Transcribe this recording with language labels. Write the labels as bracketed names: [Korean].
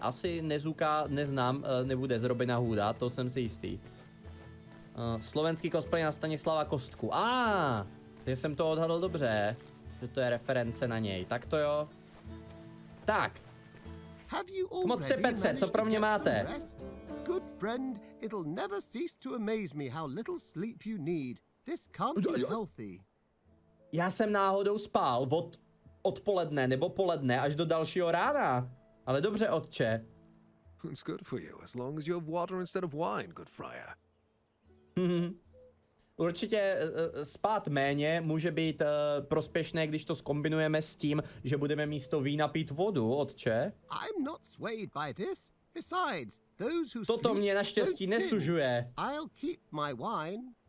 [Czech] Asi Nezuka neznám, nebude z Robina Hooda, to jsem si jistý. Slovenský cosplay na Stanislava Kostku. Že jsem to odhadl dobře, že to je reference na něj. Tak to jo. Tak. Komotře Petře, co pro mě máte? [English] Good friend, it'll never cease to amaze me how little sleep you need. This can't be healthy. [Czech] Já jsem náhodou spal od odpoledne nebo poledne až do dalšího rána. Ale dobře, otče. [English] It's good for you, as long as you have water instead of wine, good friar. [Czech] Určitě spát méně může být prospěšné, když to zkombinujeme s tím, že budeme místo vína pít vodu, otče. [English] I'm not swayed by this. Besides, those who [Czech] toto mě naštěstí nesužuje. [English] I'll keep my wine.